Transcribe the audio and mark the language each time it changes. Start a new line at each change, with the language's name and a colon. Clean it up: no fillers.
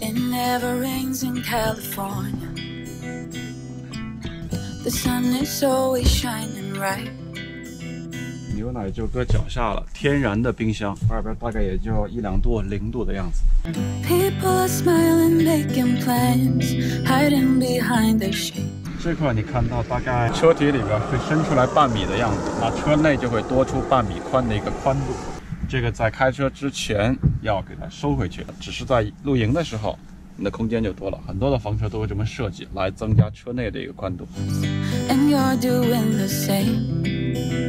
English: never rains in California. The sun is always shining right.
Chinese: 牛奶就搁脚下了，天然的冰箱，外边大概也就一两度、零度的样子。
English: People are smiling, making plans, hiding behind the shade.
Chinese: 这块你看到大概车体里边会伸出来半米的样子，那车内就会多出半米宽的一个宽度，这个在开车之前要给它收回去，只是在露营的时候你的空间就多了，很多的房车都会这么设计来增加车内的一个宽度。
English: And you're doing the same.